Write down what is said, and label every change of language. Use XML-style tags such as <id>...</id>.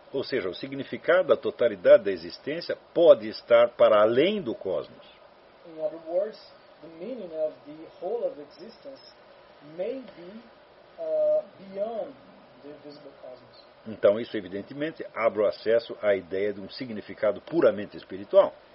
<pt>Ou seja, o significado da totalidade da existência pode estar para além do cosmos.</pt> <en>In other words, the meaning of the whole of existence may be beyond the visible cosmos.</en> <pt>Então, isso evidentemente abre o acesso à ideia de um significado puramente espiritual.</pt>